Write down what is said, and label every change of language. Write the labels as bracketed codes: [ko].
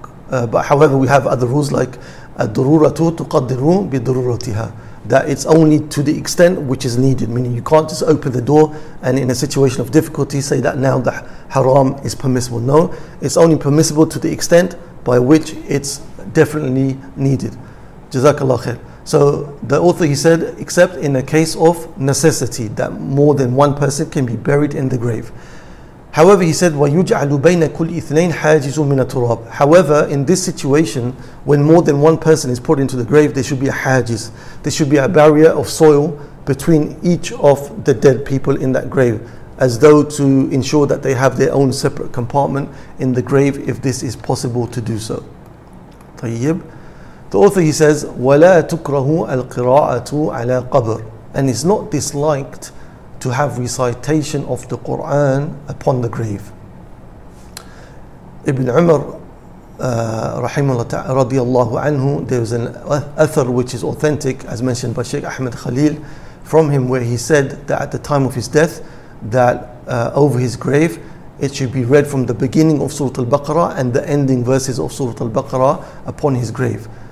[en] But however, we have other rules like [ar] الدُرُورَةُ تُقَدِّرُ بِدُرُورَتِهَا, [en] that it's only to the extent which is needed, meaning you can't just open the door and in a situation of difficulty say that now the haram is permissible. No, it's only permissible to the extent by which it's definitely needed. Jazakallah khair. So the author, he said, except in a case of necessity, that more than one person can be buried in the grave. However, he said, [ar] وَيُجْعَلُ بَيْنَ كُلْ إِثْنَيْنِ حَاجِزٌ مِنَ التُرَابِ. [en] However, in this situation, when more than one person is put into the grave, there should be a hajiz. There should be a barrier of soil between each of the dead people in that grave, as though to ensure that they have their own separate compartment in the grave, if this is possible to do so. [ar] طيب. [en] The author, he says, [ar] وَلَا تُكْرَهُ الْقِرَاءَةُ عَلَى قَبْرٍ. [en] And it's not disliked to have recitation of the Qur'an upon the grave. Ibn Umar Rahimullah ta'ala, radiallahu anhu, there is an athar which is authentic, as mentioned by Sheikh Ahmed Khalil, from him, where he said that at the time of his death, that over his grave, it should be read from the beginning of Surah Al-Baqarah and the ending verses of Surah Al-Baqarah upon his grave.